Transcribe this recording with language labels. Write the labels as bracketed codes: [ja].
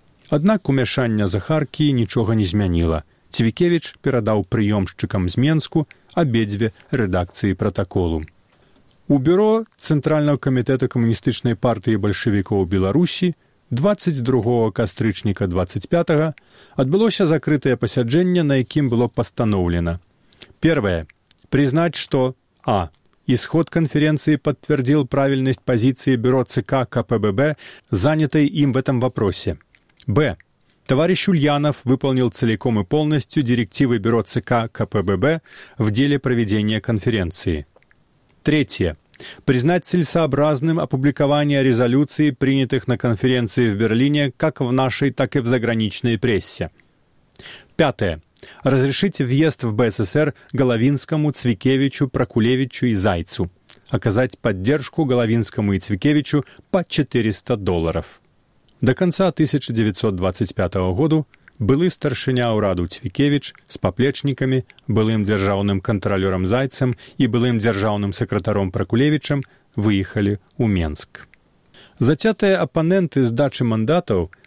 [be] Аднак умяшання Захаркі нічога не змяніла. Цвікевіч перадаў прыёмшчыкам з Менску абедзве рэдакцыі пратаколу. У бюро Цэнтральнага камітэта камуністычнай партыі бальшавікоў Беларусі 22 кастрычніка 25-го адбылося закрытае пасяджэнне, на якім было пастаноўлена. [ru] Первое. Признаць, што А. Исход конференции подтвердил правильность позиции бюро ЦК КПББ, занятой им в этом вопросе. Б. Товарищ Ульянов выполнил целиком и полностью директивы бюро ЦК КПББ в деле проведения конференции. Третье. Признать целесообразным опубликование резолюций, принятых на конференции в Берлине, как в нашей, так и в заграничной прессе. Пятое. Разрешить въезд в БССР Головинскому, Цвикевичу, Прокулевичу и Зайцу. Оказать поддержку Головинскому и Цвикевичу по $400. [be] До конца 1925 года былы старшыня ўраду Цвікевіч з паплечнікамі, былым дзяржаўным кантралёрам Зайцам і былым дзяржаўным сакратаром Пракулевічам выехалі ў Менск. Зацятыя апаненты здачы мандатаў